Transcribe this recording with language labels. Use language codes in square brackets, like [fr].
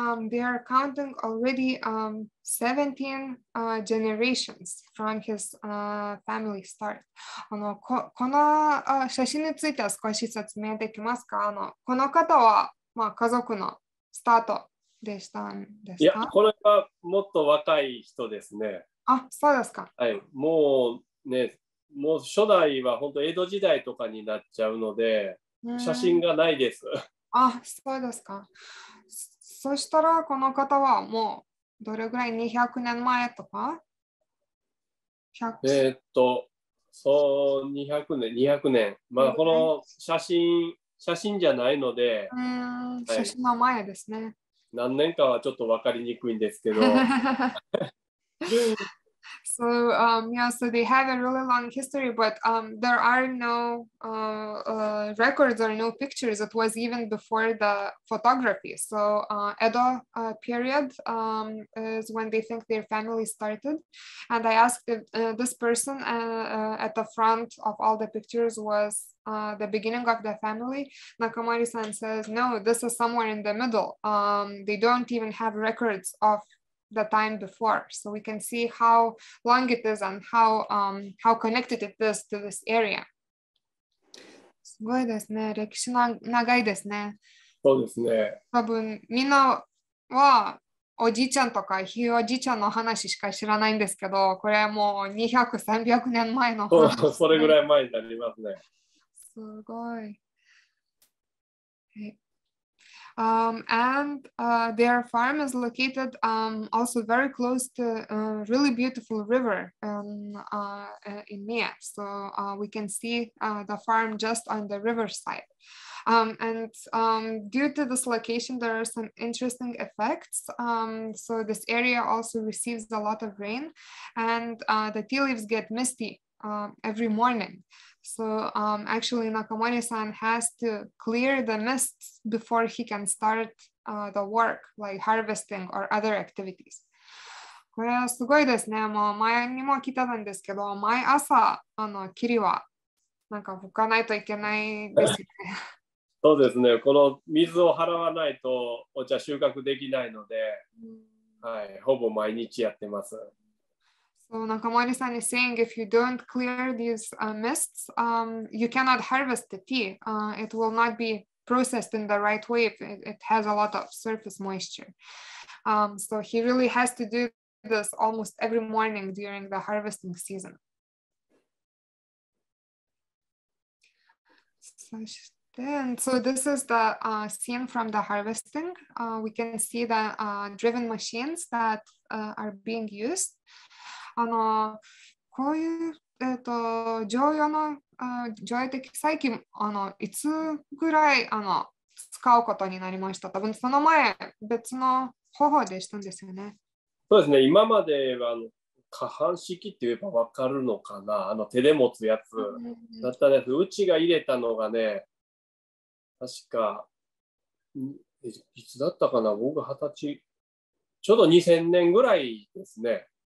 [en] They are counting already 17 generations from his family start. [ja] この写真については少し説明できますか？この方はまあ、家族のスタートでしたんですか？いや、これはもっと若い人ですね。あ、そうですか。はい、もうね、もう初代は本当江戸時代とかになっちゃうので、写真がないです。あ、そうですか。そしたらこの方はもうどれぐらい200年前とか 100そう200年まあこの写真写真じゃないので、うん、写真の前ですね、はい、何年かはちょっと分かりにくいんですけど [en] So yeah, so they have a really long history, but there are no records or no pictures. It was even before the photography. So Edo period is when they think their family started. And I asked if, this person at the front of all the pictures was the beginning of the family. Nakamori-san says, no, this is somewhere in the middle. They don't even have records of the time before, so we can see how long it is and how connected it is to this area. [ja] すごいですね。歴史な長いですね。そうですね。多分みんなはおじいちゃんとかひいおじいちゃんの話しか知らないんですけど、これはもう200、300年前の話、ね。そう、それぐらい前になりますね。すごい。 [en] And their farm is located also very close to a really beautiful river in Mie. So we can see the farm just on the riverside. Due to this location, there are some interesting effects. So this area also receives a lot of rain, and the tea leaves get misty every morning. So actually Nakamori-san has to clear the mist before he can start the work like harvesting or other activities. [ja] これはすごいですね。もう前にも聞いたんですけど、毎朝あの霧はなんか拭かないといけないですね。そうですね。この水を払わないとお茶収穫できないので、はい、ほぼ毎日やってます。 [en] So Nakamori-san is saying if you don't clear these mists, you cannot harvest the tea. It will not be processed in the right way if it has a lot of surface moisture. So he really has to do this almost every morning during the harvesting season. And so this is the scene from the harvesting. We can see the driven machines that are being used. [ja] あのこういう、常用の常用的最近あのいつぐらいあの使うことになりました。多分その前別の方法でしたんですよね。そうですね。今まではあの可搬式って言えば分かるのかな、あの手で持つやつだったんです。うちが入れたのがね、確かいつだったかな、僕20歳ちょうど2000年ぐらいですね。